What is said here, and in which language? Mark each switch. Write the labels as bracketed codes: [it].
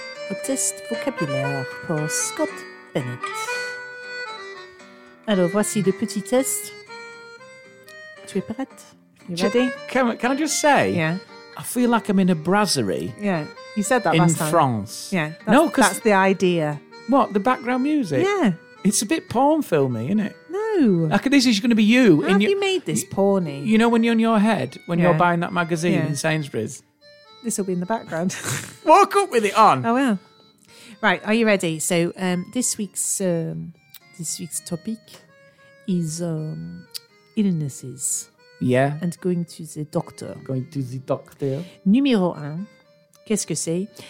[fr] Autiste vocabulaire pour Scott Bennett. Alors, voici le petit test. Tu es prête? [en] You ready? Can I just say, I feel like I'm in a brasserie. Yeah, you said that in last time. In France. Yeah, that's the idea. What, the background music? Yeah. It's a bit porn filmy, isn't it? No. Like, this is going to be you. How have you made this porny? You know when you're on your head, when you're buying that magazine in Sainsbury's? This will be in the background. Walk up with it on. Oh, well. Right, are you ready? So this week's topic is illnesses. Yeah. And going to the doctor. Going to the doctor. [fr] Numéro un, qu'est-ce que c'est?